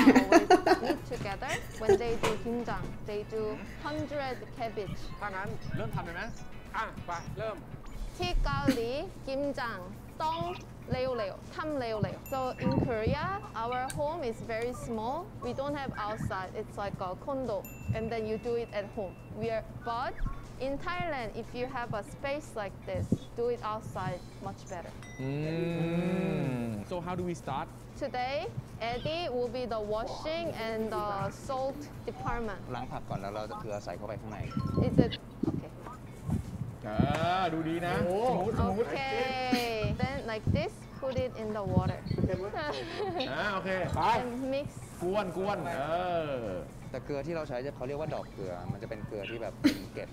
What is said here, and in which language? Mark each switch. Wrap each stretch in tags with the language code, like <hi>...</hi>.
<en>meet together when they do gimjang they do 100 cabbage</en> <th>ถ้างั้นเริ่มทำได้ไหมอ่ะไปเริ่ม ที่เกาหลีกิมจังต้องเร็วทำเร็ว</th> <en>so in Korea our home is very small we don't have outside it's like a condo and then you do it at home we are but in Thailand if you have a space like this do it outside much better so how do we start today Eddie will be the washing and the salt department</en> <th>ล้างผักก่อนแล้วเราจะเกลือใส่เข้าไปข้างใน</th> <en>is it</en> <th>ดูดีนะ</th> <en>โอเค then like this put it in the water</en> <th>โอเคไป</th> <en>mix</en> <th>กวน แต่เกลือที่เราใช้เขาเรียกว่าดอกเกลือมันจะเป็นเกลือที่แบบเก็บ</th>